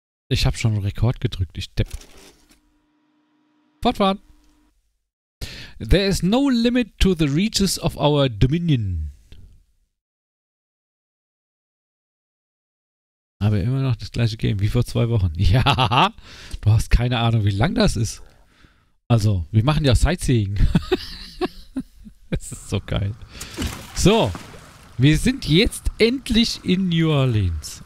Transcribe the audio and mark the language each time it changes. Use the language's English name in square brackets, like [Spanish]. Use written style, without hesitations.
[German] Ich hab schon einen Rekord gedrückt, ich depp. Fortfahren. [English] There is no limit to the reaches of our dominion. [German] Aber immer noch das gleiche Game wie vor 2 Wochen. Ja, du hast keine Ahnung, wie lang das ist. Also, wir machen ja Sightseeing. Das ist so geil. So, wir sind jetzt endlich in New Orleans.